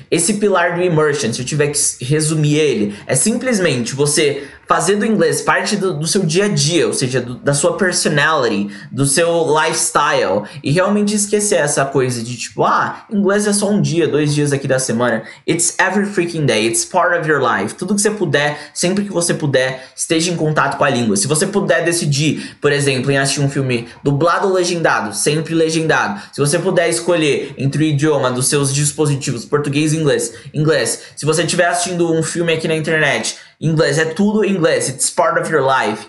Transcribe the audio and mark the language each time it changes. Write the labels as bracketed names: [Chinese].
[Portuguese] Esse pilar do immersion, se eu tiver que resumir ele, é simplesmente você fazer do inglês parte do seu dia a dia, ou seja, da sua personality, do seu lifestyle, e realmente esquecer essa coisa de tipo, ah, inglês é só um dia, 2 dias aqui da semana. [English] It's every freaking day, it's part of your life. [Portuguese] Tudo que você puder, sempre que você puder, esteja em contato com a língua. Se você puder decidir, por exemplo, em assistir um filme dublado ou legendado, sempre legendado. Se você puder escolher entre o idioma dos seus dispositivos, português e inglês, inglês. Se você estiver assistindo um filme aqui na internet, inglês é tudo inglês, [English] it's part of your life.